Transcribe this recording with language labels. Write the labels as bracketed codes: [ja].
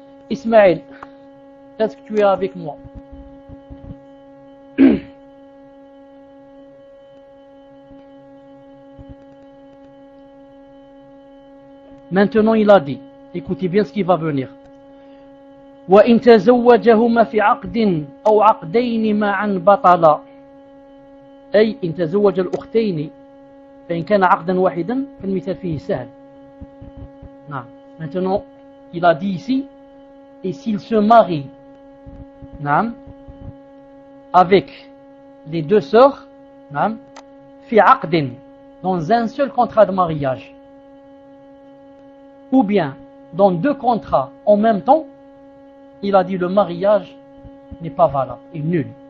[fr] Ismaël, est-ce que tu es avec moi? Maintenant, il a dit, écoutez bien ce qui va venir. [ar] وَإِن تَزَوَّجَهُمَا فِي عَقْدٍ أَوْ عَقْدَيْنِ مَعًا بَطَلًا أي إن تزوج الأختين فإن كان عقدا واحدا فالمثال فيه سهل. نعم. [fr] Maintenant, il a dit ici, et s'il se marie نعم, avec les deux sœurs, نعم, في عقد, dans un seul contrat de mariage, ou bien dans deux contrats en même temps, il a dit le mariage n'est pas valable, est nul.